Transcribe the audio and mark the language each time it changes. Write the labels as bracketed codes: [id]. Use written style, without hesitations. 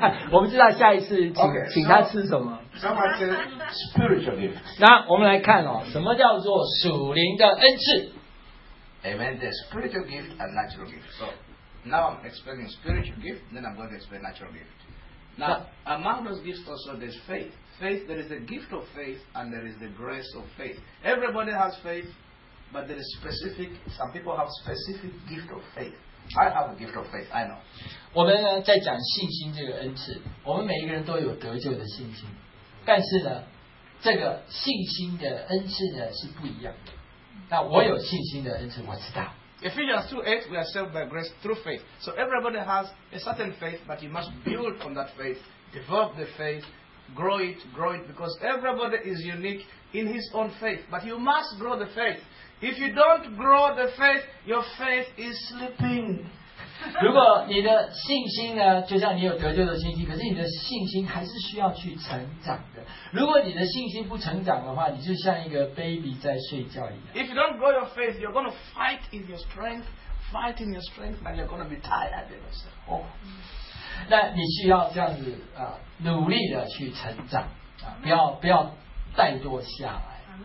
[zh] 我们知道下一次请他吃什么。 [en] Someone said spiritual gift. [zh] 那我们来看哦，什么叫做属灵的恩赐 [en] ？Amen. The spiritual gift and natural gift. So now I'm explaining spiritual gift, then I'm going to explain natural gift. Now, among those gifts also there's faith. Faith, there is the gift of faith and there is the grace of faith. Everybody has faith, but there is specific, some people have specific gift of faith. I have a gift of faith, I know. [zh] 我们呢在讲信心这个恩赐，我们每一个人都有得救的信心，但是呢，这个信心的恩赐呢是不一样的。那我有信心的恩赐，我知道。 [en] Ephesians 2:8, we are saved by grace through faith. So everybody has a certain faith, but you must build on that faith, develop the faith, grow it, because everybody is unique in his own faith. But you must grow the faith. If you don't grow the faith, your faith is sleeping. [zh] 如果你的信心呢，就像你有得救的信心，可是你的信心还是需要去成长的。如果你的信心不成长的话，你就像一个 baby 在睡觉一样。 [en] If you don't grow your faith, you're going to fight in your strength, fight in your strength, and you're going to be tired. Oh. [zh] 那你需要这样子啊，努力的去成长啊，不要怠惰下来。